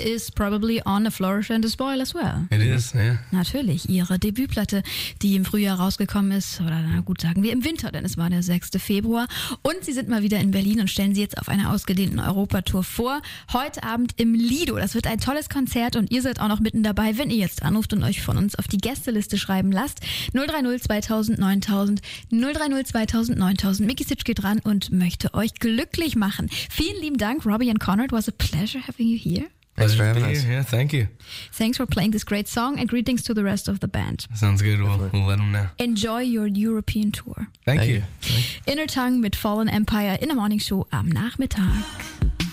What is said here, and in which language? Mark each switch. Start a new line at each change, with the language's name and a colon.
English: Is probably on A Flourish and a Spoil as well. It is, ja. Yeah.
German: Natürlich, ihre Debütplatte, die im Frühjahr rausgekommen ist, oder na gut, sagen wir im Winter, denn es war der 6. Februar. Und sie sind mal wieder in Berlin und stellen sie jetzt auf einer ausgedehnten Europatour vor. Heute Abend im Lido. Das wird ein tolles Konzert und ihr seid auch noch mitten dabei, wenn ihr jetzt anruft und euch von uns auf die Gästeliste schreiben lasst. 030-2000-9000. Micky Sitsch geht ran und möchte euch glücklich machen. Vielen lieben Dank,
English: Robbie and Conrad. It was a pleasure having you here. Thanks for having us. Yeah, thank you. Thanks for playing this great song and greetings to the rest of the band. Sounds good. We'll let them know. Enjoy your European tour. Thank you.
German: Inner Tongue mit Fallen Empire in der Morning Show am Nachmittag.